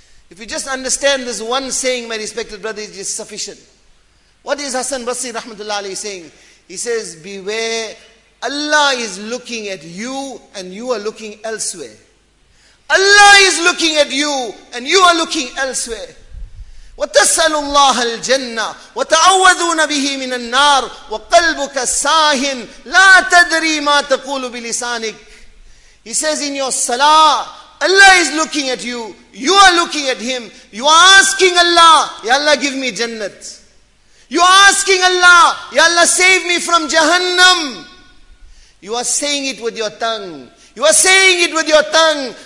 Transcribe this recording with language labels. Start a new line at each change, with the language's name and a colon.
English: If you just understand this one saying, my respected brother, it is sufficient. What is Hassan Basri rahmatullah alayhi saying? He says, beware, Allah is looking at you and you are looking elsewhere. Allah is looking at you and you are looking elsewhere.
Arabic: وتسأل الله الجنة وتعوذون به من النار وقلبك ساه لا تدري ما تقول بلسانك.
English: He says in your salah, Allah is looking at you, you are looking at him, you are asking Allah, Ya Allah give me Jannat. You are asking Allah, Ya Allah save me from Jahannam. You are saying it with your tongue. You are saying it with your tongue.